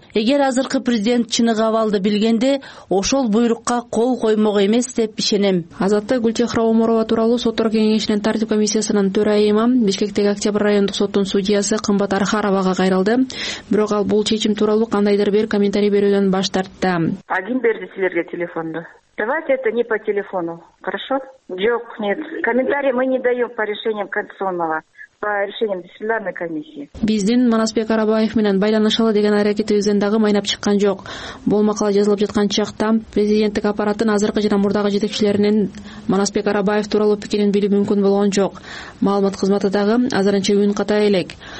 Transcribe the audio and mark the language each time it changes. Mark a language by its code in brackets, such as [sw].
[ky] Эгер азыркы президент чыныгы абалды билгенде ошол буйрукка кол коймок эмес деп ишенем. Азатта Гүлчехра Оморова тууралуу соттор кеңешинин тартип комиссиясынын төрайымы Бишкектеги Октябрь райондук соттун судьясы Кымбат Архаровага кайрылды. Бирок ал бул чечим тууралуу кандайдыр бир комментарий берүүдөн баш тартты. Один берди силерге телефонду. [ru] Давайте это не по телефону, хорошо? [ky] Жок, [ru] нет. Комментарий мы не даем по решениям конституционного. [ky] Биздин Манасбек Арабаев менен байланышалы деген аракетибизден дагы майнап чыккан жок. Бул макала жазылып жаткан чакта президенттик аппараттын азыркы жана мурдагы жетекчилеринин Манасбек Арабаев тууралуу пикирин билүү мүмкүн болгон жок. Маалымат кызматы дагы азырынча үн ката элек.